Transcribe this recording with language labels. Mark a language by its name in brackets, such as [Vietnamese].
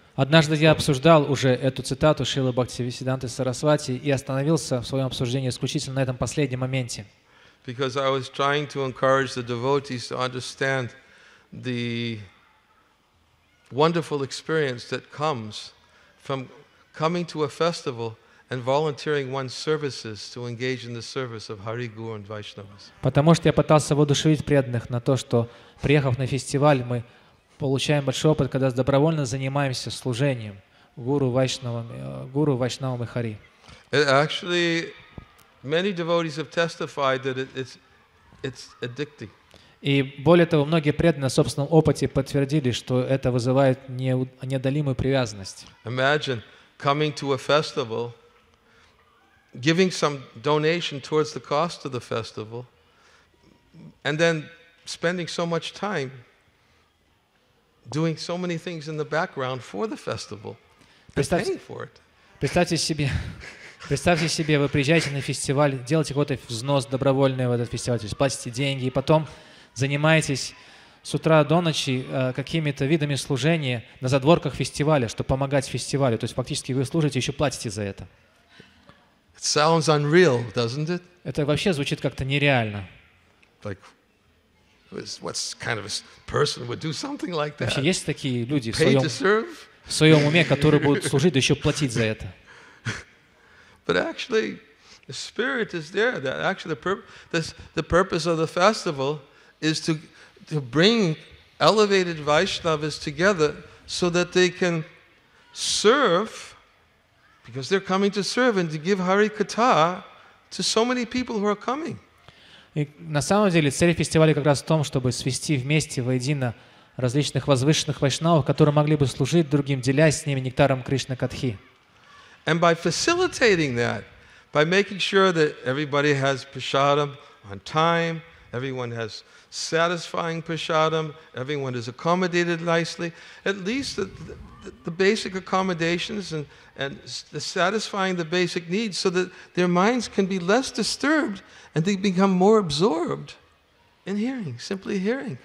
[Russian] Однажды я обсуждал уже эту цитату Шрилы Бхактисиддханты Сарасвати и остановился в своем обсуждении исключительно на этом последнем моменте. [English] Because I was trying to encourage the devotees to understand the wonderful experience that comes from coming to a festival. And volunteering one's services to engage in the service of Hari, Guru and Vaishnavas. [Russian] Потому что я пытался воодушевить преданных на то, что приехав на фестиваль, мы получаем большой опыт, когда добровольно занимаемся служением Гуру Вайшнавам и Хари. [English] Actually, many devotees have testified that it's addicting. [Russian] И более того, многие преданные на собственном опыте подтвердили, что это вызывает неодолимую привязанность. [English] Imagine coming to a festival. Giving some donation towards the cost of the festival, and then spending so much time doing so many things in the background for the festival, paying for it. [Russian] Представьте себе, вы приезжаете на фестиваль, делаете какой-то взнос добровольный в этот фестиваль, то есть платите деньги, и потом занимаетесь с утра до ночи какими-то видами служения на задворках фестиваля, чтобы помогать фестивалю. То есть фактически вы служите, еще платите за это. [English] Sounds unreal, doesn't it? [Russian] Это вообще звучит как-то нереально. [English] Like, what kind of a person would do something like that? [Russian] Вообще есть такие люди в своем уме, которые будут служить, да еще платить за это? [English] But actually, the spirit is there. That actually the purpose of the festival is to bring elevated Vaishnavas together so that they can serve. Because they're coming to serve and to give Hari Katha to so many people who are coming. [Russian] И на самом деле цель фестиваля как раз в том, чтобы свести вместе воедино различных возвышенных вайшнавов, которые могли бы служить другим, делясь с ними нектаром Кришны Катхи. [English] And by facilitating that, by making sure that everybody has prasadam on time, everyone has satisfying prasadam, everyone is accommodated nicely, at least the basic accommodations and satisfying the basic needs so that their minds can be less disturbed and they become more absorbed in hearing, simply hearing.